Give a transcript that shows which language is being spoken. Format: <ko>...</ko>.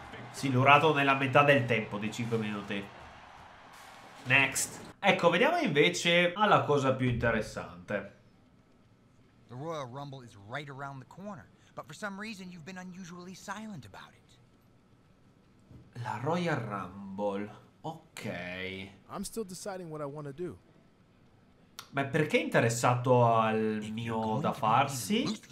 <it>Silurato nella metà del tempo di 5 minuti.</it> <en>Next.</en> <it>Ecco, vediamo invece alla cosa più interessante.</it> <en>The Royal Rumble is right around the corner, but for some reason you've been unusually silent about it.</en> <it>La Royal Rumble. Ok.</it> <en>I'm still deciding what I want to do.</en> <it>Ma perché è interessato al mio da farsi?</it>